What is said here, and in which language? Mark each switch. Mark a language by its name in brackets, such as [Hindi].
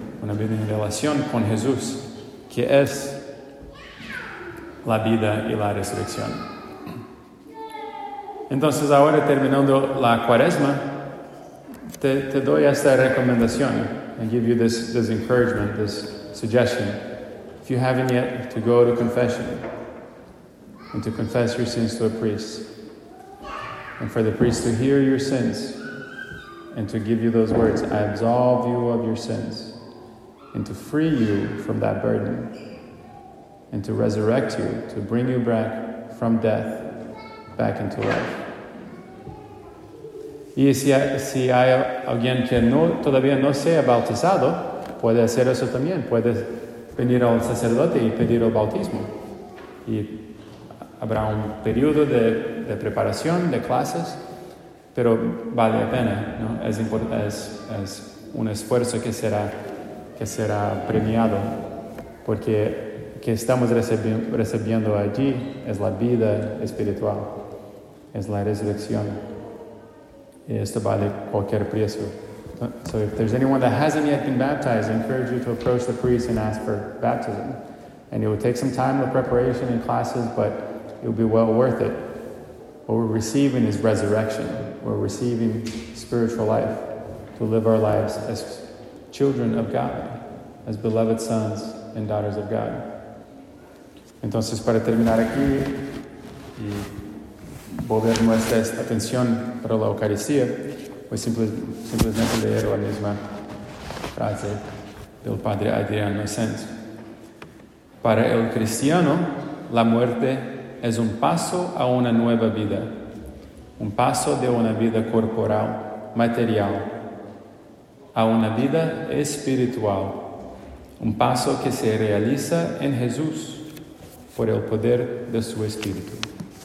[Spanish] Una vida en relación con Jesús, que es la vida y la resurrección. Entonces, ahora terminando la Cuaresma, te doy esta recomendación. [English] I give you this encouragement, this suggestion. If you haven't yet, to go to confession and to confess your sins to a priest, and for the priest to hear your sins and to give you those words: I absolve you of your sins, and to free you from that burden, and to resurrect you, to bring you back from death, back into life. [Spanish] Y si hay alguien que todavía no sea bautizado, puede hacer eso también. Puede venir al sacerdote y pedir el bautismo. Y habrá un periodo de preparación, de clases, pero vale la pena, ¿no? Es un esfuerzo que será premiado, porque que estamos recibiendo allí es la vida espiritual, es la resurrección, y esto vale cualquier precio. [English] So if there's anyone that hasn't yet been baptized, I encourage you to approach the priest and ask for baptism. And it will take some time with preparation and classes, but it will be well worth it. What we're receiving is resurrection. We're receiving spiritual life to live our lives as children of God, as beloved sons and daughters of God. [Spanish] Entonces, para terminar aquí y volver nuestra atención para la Eucaristía, voy simplemente leer la misma frase del Padre Adrián Nocent. Para el cristiano, la muerte es un paso a una nueva vida, un paso de una vida corporal, material, a una vida espiritual, un paso que se realiza en Jesús por el poder de su Espíritu.